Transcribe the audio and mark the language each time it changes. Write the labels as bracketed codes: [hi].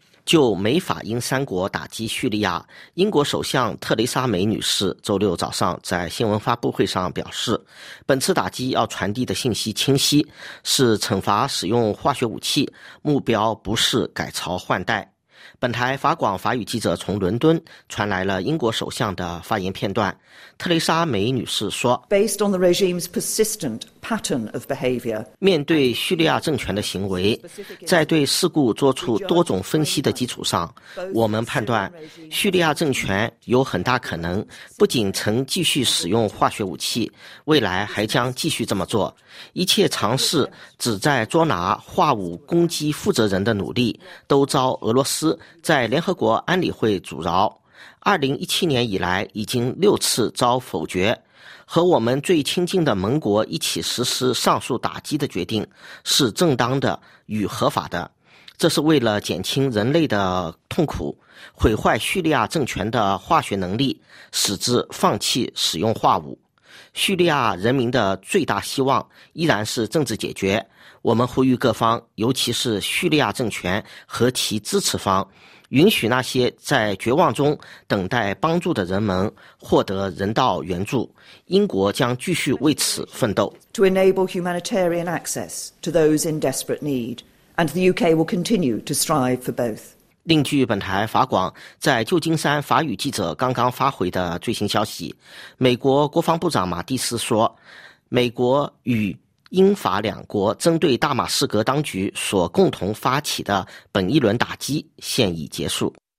[zh] 就美法英三国打击叙利亚，英国首相特蕾莎梅女士周六早上在新闻发布会上表示，本次打击要传递的信息清晰，是惩罚使用化学武器，目标不是改朝换代。本台法广法语记者从伦敦传来了英国首相的发言片段。特蕾莎梅女士说， [en] Based on the regime's persistent pattern of behavior, [zh] 面对叙利亚政权的行为，在对事故做出多种分析的基础上，我们判断叙利亚政权有很大可能不仅曾继续使用化学武器，未来还将继续这么做。一切尝试旨在捉拿化武攻击负责人的努力都遭俄罗斯在联合国安理会阻挠，2017年以来已经六次遭否决。和我们最亲近的盟国一起实施上述打击的决定是正当的与合法的，这是为了减轻人类的痛苦，毁坏叙利亚政权的化学能力，使之放弃使用化武。叙利亚人民的最大希望依然是政治解决，我们呼吁各方，尤其是叙利亚政权和其支持方，允许那些在绝望中等待帮助的人们获得人道援助，英国将继续为此奋斗。 [en] To enable humanitarian access to those in desperate need, and the UK will continue to strive for both. [zh] 另据本台法广在旧金山法语记者刚刚发回的最新消息，美国国防部长马蒂斯说，美国与英法两国针对大马士革当局所共同发起的本一轮打击现已结束。